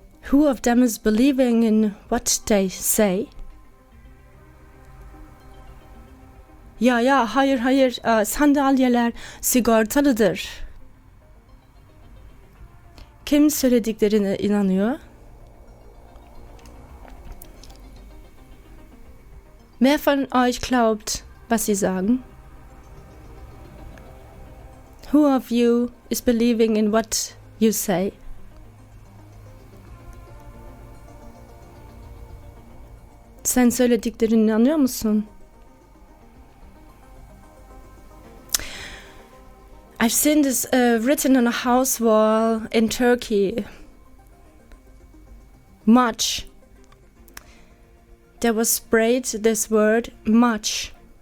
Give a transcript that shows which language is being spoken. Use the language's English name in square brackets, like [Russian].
[English] Who of them is believing in what they say? [Turkish] Ya ya, hayır hayır, sandalyeler sigortalıdır. Kim söylediklerine inanıyor? [German] Wer von euch glaubt, was sie sagen? [English] Who of you is believing in what you say? [Turkish] Sen söylediklerine inanıyor musun? [English] I've seen this written on a house wall in Turkey. Much. There was sprayed this word, much.